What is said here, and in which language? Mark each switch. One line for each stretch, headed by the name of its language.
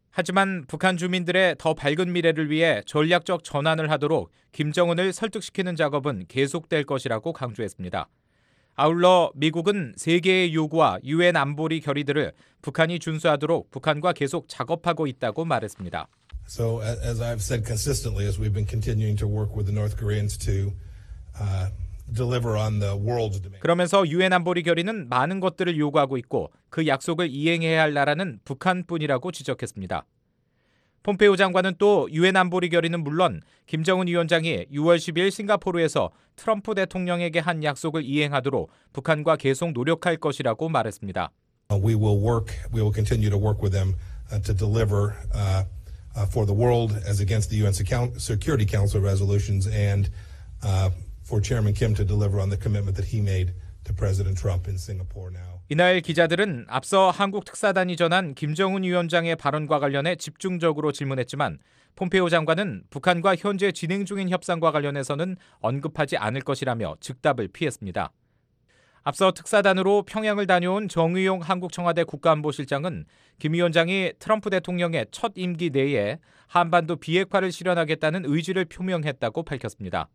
Korean: 하지만 북한 주민들의 더 밝은 미래를 위해 전략적 전환을 하도록 김정은을 설득시키는 작업은 계속될 것이라고 강조했습니다. 아울러 미국은 세계의 요구와 유엔 안보리 결의들을 북한이 준수하도록 북한과 계속 작업하고 있다고 말했습니다.
English: So as I've said consistently as we've been continuing to work with the North Koreans to deliver on the world's demand.
Korean: 그러면서 유엔 안보리 결의는 많은 것들을 요구하고 있고 그 약속을 이행해야 할 나라는 북한뿐이라고 지적했습니다. 폼페오 장관은 또 유엔 안보리 결의는 물론 김정은 위원장이 6월 10일 싱가포르에서 트럼프 대통령에게 한 약속을 이행하도록 북한과 계속 노력할 것이라고 말했습니다.
English: We will work. We will continue to work with them to deliver for the world as against the UN Security Council resolutions and for Chairman Kim to deliver on the commitment that he made to President Trump in Singapore now.
Korean: 이날 기자들은 앞서 한국 특사단이 전한 김정은 위원장의 발언과 관련해 집중적으로 질문했지만 폼페오 장관은 북한과 현재 진행 중인 협상과 관련해서는 언급하지 않을 것이라며 즉답을 피했습니다. 앞서 특사단으로 평양을 다녀온 정의용 한국 청와대 국가안보실장은 김 위원장이 트럼프 대통령의 첫 임기 내에 한반도 비핵화를 실현하겠다는 의지를 표명했다고 밝혔습니다.